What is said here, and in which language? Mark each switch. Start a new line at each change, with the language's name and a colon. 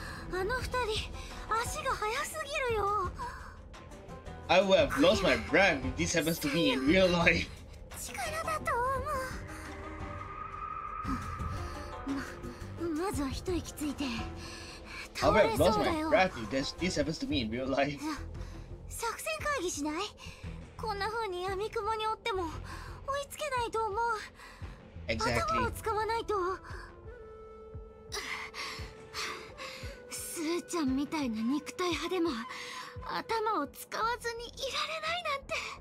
Japanese: あの二人、足が速すぎるよ。
English: I would have lost my breath if this happens to me in real life.
Japanese: 力だと思う。まずは一息ついて。
English: I would have lost my breath if this happens to me in real life.
Japanese: 作戦会議しない？こんな風に闇雲に追っても追いつけないと思う。
English: Exactly.
Japanese: 頭を掴まないと。スーちゃんみたいな肉体派でも頭を使わずにいられないなんて。